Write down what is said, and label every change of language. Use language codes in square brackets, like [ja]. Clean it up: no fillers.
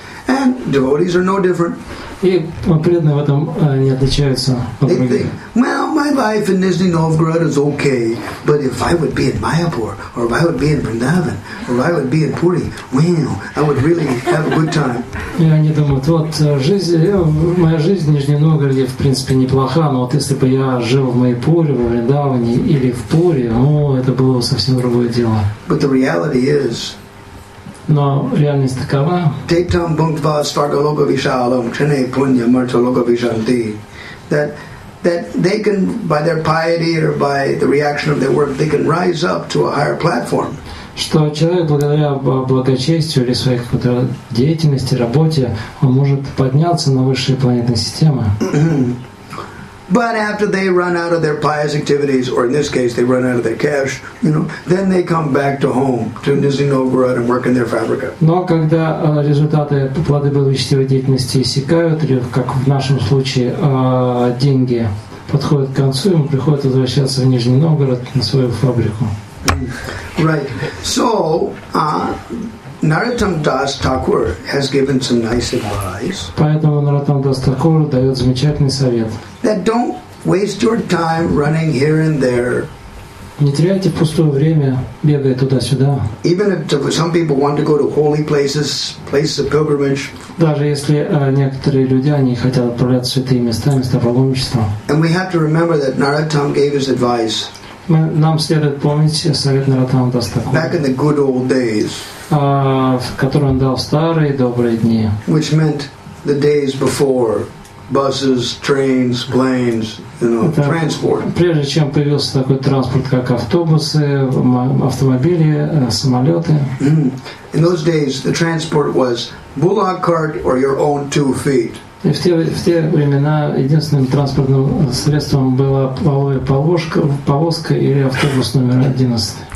[en] And devotees are no different. [ru] И преданные в этом не отличаются от других. [en] They think, well, my life in Nizhny Novgorod is okay, but if I would be in Mayapur, or if I would be in Vrindavan, or if I would be in Puri, well, I would really have a good time. [ru] И они думают, вот моя жизнь в Нижнем Новгороде в принципе неплоха, но вот если бы я жил в Майпуре, в Вриндаване или в Пуре, ну, это было совсем другое дело. [en] But the reality is, [ru] но реальность такова. [sa] Тетам бунтва сваргалога вишалам чене пунья марталога вишанти. [en] That they can, by their piety or by the reaction of their work, they can rise up to a higher platform. [ru] Что человек благодаря благочестию или своей какой-то деятельности, работе, он может подняться на высшие планетные системы. [en] But after they run out of their pious activities, or in this case, they run out of their cash, you know, then they come back to home, to Nizhny Novgorod, and work in their fabrica. [ru] Но когда результаты плоды благочестивой деятельности иссякают, или, как в нашем случае, деньги подходят к концу, ему приходит возвращаться в Нижний Новгород на свою фабрику. [en] Right. So, Narottam Das Thakur has given some nice advice. [ru] Поэтому Narottam Das Thakur дает замечательный совет. [en] That don't waste your time running here and there. [ru] Не теряйте пустое время, бегая туда-сюда. [en] Even if some people want to go to holy places, places of pilgrimage. [ru] Даже если некоторые люди, они хотят отправляться в святые места, места паломничества. [en] And we have to remember that Narottam gave his advice. [ru] Нам следует помнить совет Narottam Das Thakur. [en] Back in the good old days. [ru] Который он дал в старые добрые дни. [en] Which meant the days before buses, trains, planes, you know, transport. [ru] Прежде чем появился такой транспорт, как автобусы, автомобили, самолеты. [en] In those days, the transport was bullock cart or your own 2 feet. [ru] И в те времена единственным транспортным средством была половая повозка или автобус номер 11.